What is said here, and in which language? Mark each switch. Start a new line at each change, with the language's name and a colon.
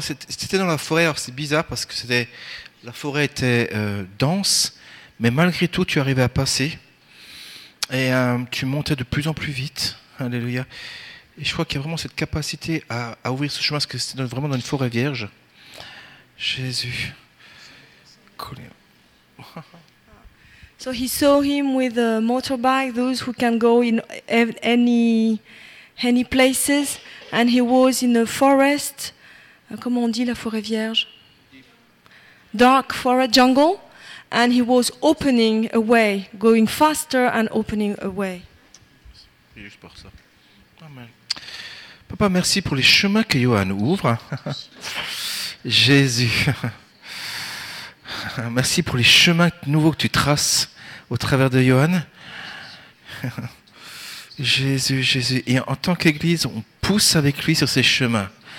French: C'était dans la forêt, alors c'est bizarre parce que la forêt était dense, mais malgré tout, tu arrivais à passer et tu montais de plus en plus vite. Alléluia. Et je crois qu'il y a vraiment cette capacité à ouvrir ce chemin parce que c'était vraiment dans une forêt vierge. Jésus.
English: So he saw him with a motorbike, those who can go in any places, and he was in a forest,
French: comment on dit la forêt vierge?
English: Dark forest, jungle, and he was opening a way, going faster and opening a way.
French: C'est juste pour ça. Amen. Papa, merci pour les chemins que Johan ouvre. Jésus. Merci pour les chemins nouveaux que tu traces au travers de Johan. Jésus, Jésus. Et en tant qu'Église, on pousse avec lui sur ses chemins.